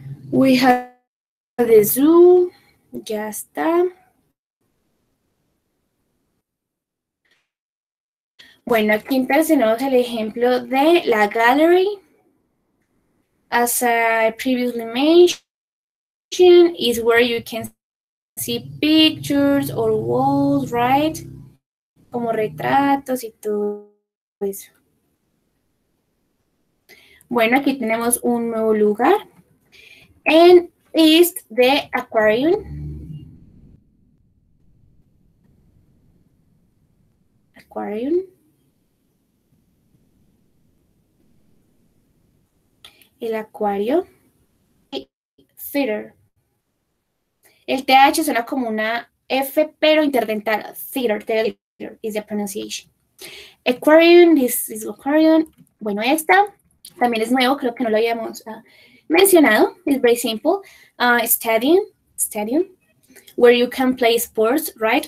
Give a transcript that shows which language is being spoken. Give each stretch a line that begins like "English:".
English: We have the zoo,
Spanish: ya está. Bueno, aquí tenemos el ejemplo de la gallery.
English: As I previously mentioned, is where you can see pictures or walls, right?
Spanish: Como retratos y todo eso. Bueno, aquí tenemos un nuevo lugar.
English: And is the aquarium. Aquarium.
Spanish: El acuario. Theater. El TH suena como una F, pero interdentada.
English: Theater, theater, theater is the pronunciation. Aquarium, this is aquarium.
Spanish: Bueno, esta también es nuevo, creo que no lo habíamos mencionado.
English: It's very simple. Stadium, stadium, where you can play sports, right?